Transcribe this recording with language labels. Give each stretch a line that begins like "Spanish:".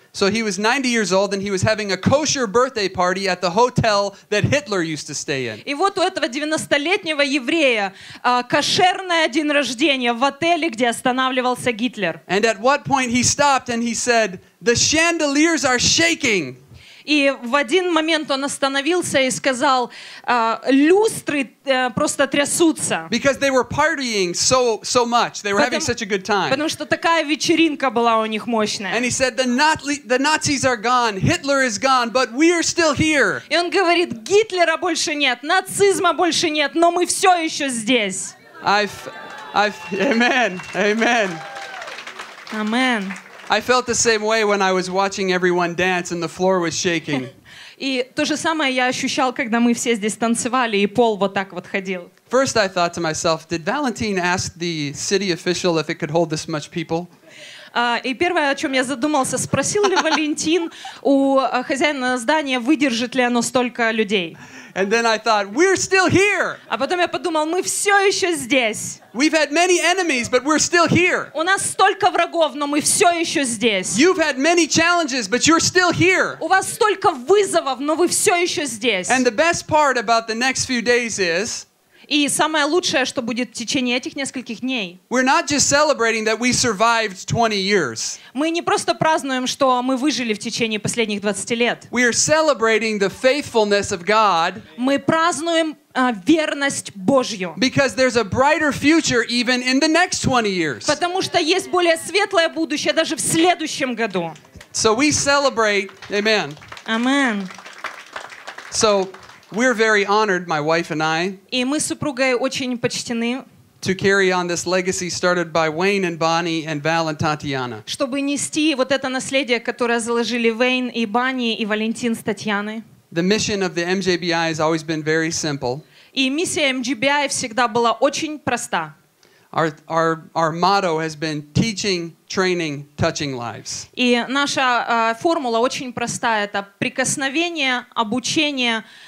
English: So he was 90 years old and he was having a kosher birthday party at the hotel that Hitler used to stay in.
Russian: И вот у этого 90-летнего еврея кошерное день рождения в отеле, где останавливался Гитлер.
English: And at what point he stopped and he said, "The chandeliers are shaking."
Russian: И в один момент он остановился и сказал, люстры просто трясутся.
English: Because they were partying so much. They were having such a good time.
Russian: Потому что такая вечеринка была у них мощная.
English: And he said, the Nazis are gone, Hitler is gone, but we are still here.
Russian: И он говорит, Гитлера больше нет, нацизма больше нет, но мы все еще здесь.
English: Amen. I felt the same way when I was watching everyone dance and the floor was shaking.
Russian: И то же самое я ощущал, когда мы все здесь танцевали и пол вот так вот ходил.
English: First I thought to myself, did Valentin ask the city official if it could hold this much people?
Russian: И первое, о чем я задумался, спросил ли Валентин у хозяина здания, выдержит ли оно столько людей?
English: And then I thought, we're still here.
Russian: А потом я подумал, мы все еще здесь.
English: We've had many enemies, but we're still here.
Russian: У нас столько врагов, но мы все еще здесь.
English: You've had many challenges, but you're still here.
Russian: У вас столько вызовов, но вы все еще здесь.
English: And the best part about the next few days is.
Russian: И самое лучшее, что будет в течение этих нескольких дней.
English: We're not just celebrating that we survived 20 years.
Russian: Мы не просто празднуем, что мы выжили в течение последних 20 лет.
English: We are celebrating the faithfulness of God.
Russian: Мы празднуем верность Божью.
English: Because there's a brighter future even in the next 20 years.
Russian: Потому что есть более светлое будущее даже в следующем году.
English: So we celebrate. Amen. Amen. So we're very honored, my wife and I.
Russian: И мы с супругой очень почтены.
English: To carry on this legacy started by Wayne and Bonnie and Val and Tatiana.
Russian: Чтобы нести вот это наследие, которое заложили Вейн и Бонни и Валентин с Татьяной.
English: The mission of the MJBI has always been very simple.
Russian: И миссия MJBI всегда была очень проста.
English: Our motto has been teaching, training, touching lives.
Russian: И наша формула очень простая. Это прикосновение, обучение.